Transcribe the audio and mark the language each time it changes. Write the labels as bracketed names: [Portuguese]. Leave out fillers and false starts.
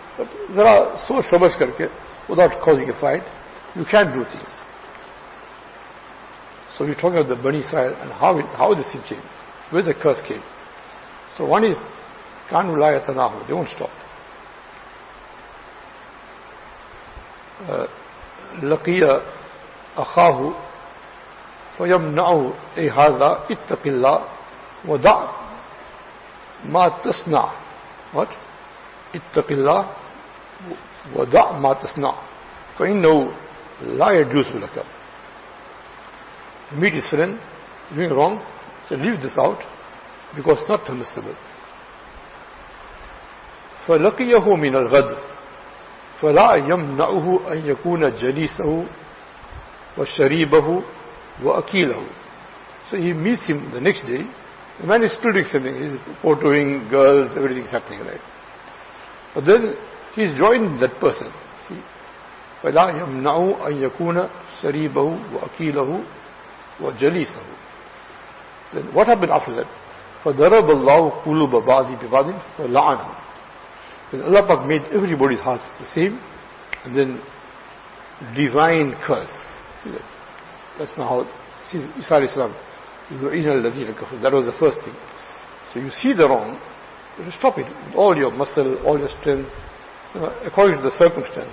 [English] But there are so much karke, without causing a fight, you can do things. So we're talking about the Bani Israel and how this thing came, where the curse came. So one is, kanu la yatanahu, they won't stop. [Arabic] لقي أخاه فيمنعه أي هذا اتق الله ودع ما تصنع اتق الله ودع ما تصنع فإنه لا يجوز لك. [English] Meet his friend doing wrong, so leave this out because it's not permissible. [Arabic] فلقيه من الغد فلا يمنعه أن يكون جليسه وشريبه وأكيله. [English] So he meets him the next day. The man is still doing something. He's photoing girls, everything is happening, right? But then he's joined that person. See? [Arabic] فلا يمنعه أن يكون شريبه وأكيله وجليسه. [English] Then what happened after that? [Arabic] فضرب الله قلوب بعض ببعض فلعنه. [English] Then Allah Pak made everybody's hearts the same, and then divine curse. See that? That's not how Isa alayhi salam, Yu'ina al-Ladina kafir. That was the first thing. So you see the wrong, you stop it with all your muscle, all your strength, you know, according to the circumstance.